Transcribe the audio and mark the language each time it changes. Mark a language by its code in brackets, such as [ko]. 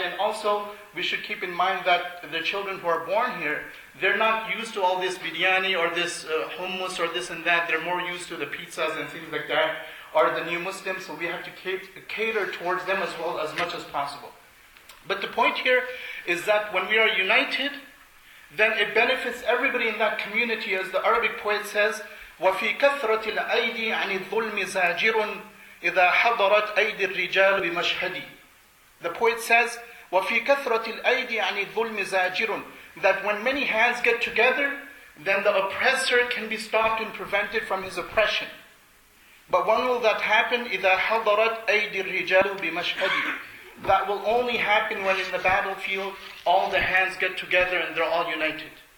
[en] And also, we should keep in mind that the children who are born here, they're not used to all this biryani or this hummus or this and that. They're more used to the pizzas and things like that, or the new Muslims. So we have to cater towards them as well as much as possible. But the point here is that when we are united, then it benefits everybody in that community. As the Arabic poet says, [ar] وَفِي كَثْرَةِ الْأَيْدِ عَنِ الظُّلْمِ زَاجِرٌ إِذَا حَضَرَتْ أَيْدِ الرِّجَالُ بِمَشْهَدِ. [en] The poet says, [ar] وَفِي كَثْرَةِ الْأَيْدِ عَنِ الظُّلْمِ زَاجِرٌ. [en] That when many hands get together, then the oppressor can be stopped and prevented from his oppression. But when will that happen? [ar] إِذَا حَضَرَتْ أَيْدِ الرِّجَالُ بِمَشْهَدِ. [en] That will only happen when in the battlefield all the hands get together and they're all united.